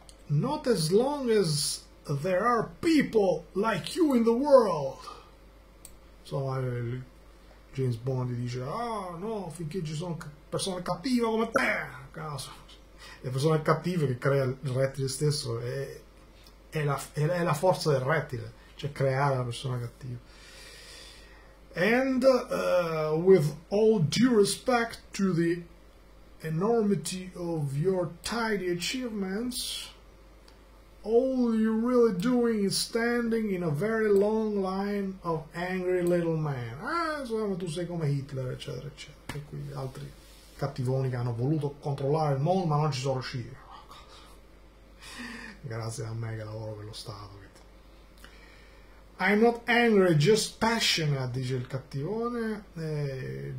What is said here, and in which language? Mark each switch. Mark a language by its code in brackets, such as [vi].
[en] Not as long as there are people like you in the world. [it] Insomma, James Bond dice, ah, oh, no, finché ci sono persone cattive come te. A caso. Le persone cattive che crea il rettile stesso è la forza del rettile, cioè creare la persona cattiva. [en] And with all due respect to the enormity of your tiny achievements, all you're really doing is standing in a very long line of angry little men. [it] Ah, insomma, tu sei come Hitler, eccetera, eccetera. E qui altri cattivoni che hanno voluto controllare il mondo, ma non ci sono riusciti. Grazie a me che lavoro per lo Stato. [en] I'm not angry, just passionate, [it] dice il cattivone.